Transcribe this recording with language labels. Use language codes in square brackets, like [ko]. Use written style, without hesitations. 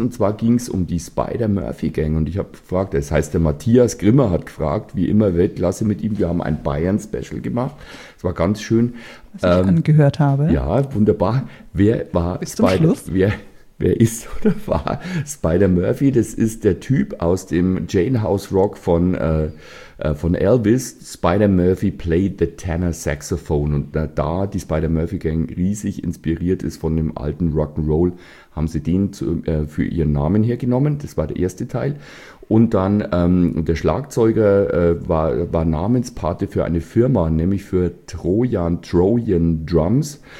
[de] Und zwar ging es um die Spider-Murphy-Gang. Und ich habe gefragt, das heißt, der Matthias Grimmer hat gefragt, wie immer Weltklasse mit ihm. Wir haben ein Bayern-Special gemacht. Es war ganz schön. Was ich angehört habe. Ja, wunderbar. Wer war bis zum Schluss? Wer ist oder war Spider-Murphy? Das ist der Typ aus dem Jane House Rock von Elvis. [en] Spider-Murphy played the tenor saxophone. [de] Und da die Spider-Murphy-Gang riesig inspiriert ist von dem alten Rock'n'Roll, haben sie den für ihren Namen hergenommen. Das war der erste Teil. Und dann der Schlagzeuger war Namenspate für eine Firma, nämlich für Trojan Drums.